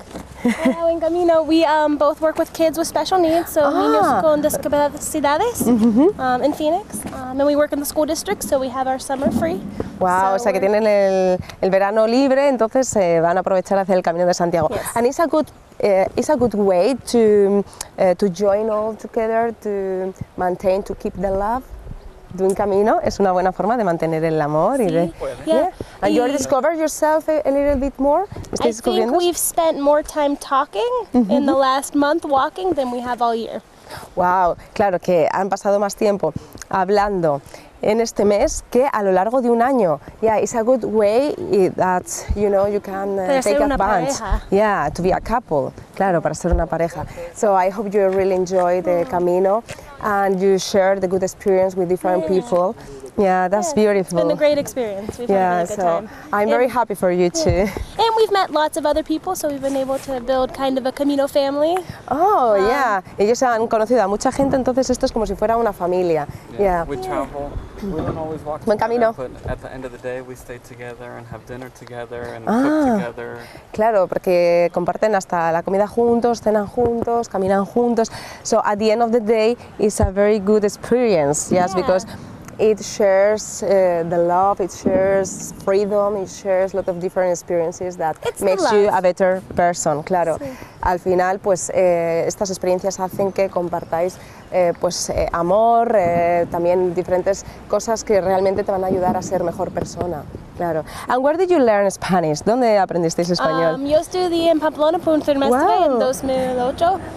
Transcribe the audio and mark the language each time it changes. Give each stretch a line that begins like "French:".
English: Work. Buen camino. We both work with kids with special needs, so
Spanish: niños con discapacidades
English: in Phoenix. And we work in the school district, so we have our summer free.
Spanish: Wow, so o sea que tienen el verano libre, entonces van a aprovechar a hacer el Camino de Santiago.
English: Yes. And it's a good way to join all together, to maintain, to keep the love.
Spanish: De un camino es una buena forma de mantener el amor sí, y de
English: yeah. And you discovered yourself a little bit more. I think we've spent more time talking in the last month walking than we have all year.
Spanish: Wow, claro que han pasado más tiempo hablando en este mes que a lo largo de un año.
English: Yeah, it's a good way that you know you can take advantage. Yeah, to be a couple.
Spanish: Claro, para ser una pareja.
English: So I hope you really enjoy the Camino and you share the good experience with different people. Yeah, that's beautiful. It's been a great experience. We've had a really good time. I'm very happy for you too. And we've met lots of other people, so we've been able to build kind of a Camino family. Oh, yeah.
Spanish: Ellos han conocido a mucha gente, entonces esto es como si fuera una familia.
English: We travel. We don't always walk together, Camino. But at the end of the day, we stay together and have dinner together and cook together.
Spanish: Claro, porque comparten hasta la comida juntos, cenan juntos, caminan juntos.
English: So at the end of the day, it's a very good experience. Yes, because it shares the love, it shares freedom, it shares a lot of different experiences that it's makes you a better person, claro. Sí.
Spanish: Al final, pues estas experiencias hacen que compartáis amor, también diferentes cosas que realmente te van a ayudar a ser mejor persona, claro.
English: And where did you learn Spanish?
Spanish: ¿Dónde aprendisteis español? Yo estudié en Pamplona por un semestre en 2008.